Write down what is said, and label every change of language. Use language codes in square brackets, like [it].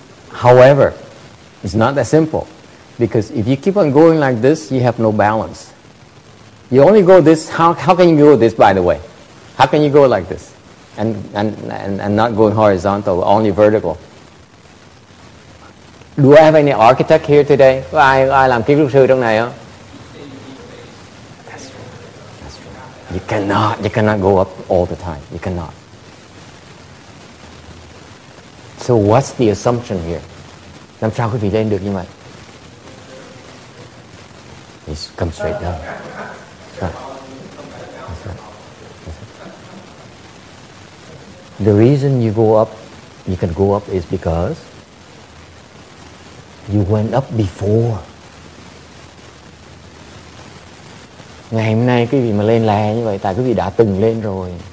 [en] However, it's not that simple, because if you keep on going like this, you have no balance. You only go this. How can you go this, by the way? How can you go like this and not going horizontal, only vertical? Do I have any architect here today? [vi] I làm kiến trúc sư trong này á. [en] That's right. You cannot go up all the time. You cannot. So what's the assumption here? [vi] Làm sao quý vị lên được như vậy? [en] It's come straight down. The reason you go up, you can go up is because you went up before. [vi] Ngày hôm nay quý vị mà lên lè như vậy tại quý vị đã từng lên rồi.